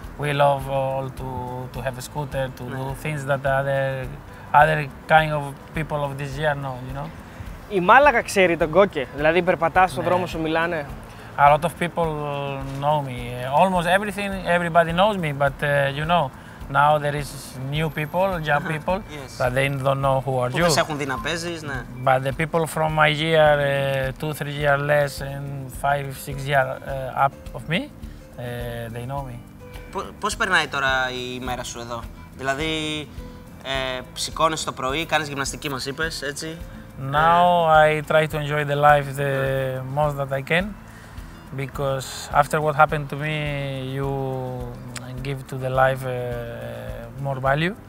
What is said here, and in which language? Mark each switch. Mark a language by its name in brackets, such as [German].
[English] We love all to have a scooter, to do things that other kind of people of this year know, you know. [Greek] Η Μάλαγα ξέρει τον Κόκε, δηλαδή περπατάς στον δρόμο σου μιλάνε. [English] A lot of people know me. Almost everybody knows me, but you know, now there is new people, young people, yes, but they don't know who are [Greek] που [English] you. [Greek] Δεν σε έχουν δει να παίζεις, ναι. [English] But the people from my year, 2-3 years less and 5-6 years up of me, they know me. [Greek] Πώς περνάει τώρα η ημέρα σου εδώ? Δηλαδή, σηκώνεσαι το πρωί, κάνεις γυμναστική, μας είπες, έτσι? [English] Now I try to enjoy the life the most that I can. Because after what happened to me, you give to the life more value.